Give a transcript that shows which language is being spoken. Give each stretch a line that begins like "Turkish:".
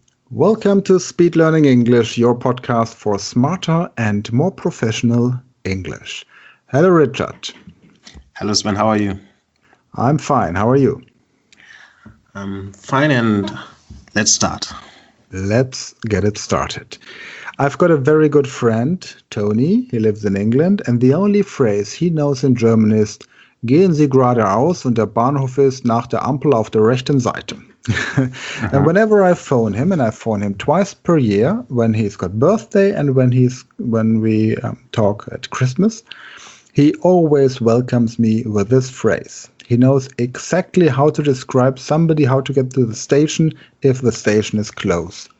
English: Welcome to Speed Learning English, your podcast for smarter and more professional English. Hello, Richard. Hello, Sven. How are you? I'm fine. How are you? I'm fine, and let's start. Let's get it started. I've got a very good friend, Tony. He lives in England, and the only phrase he knows in German is
German: "Gehen Sie geradeaus und der Bahnhof ist nach der Ampel auf der rechten Seite."
English: And whenever I phone him, and I phone him twice per year, when he's got birthday and when we talk at Christmas, he always welcomes me with this phrase. He knows exactly how to describe somebody how to get to the station if the station is close.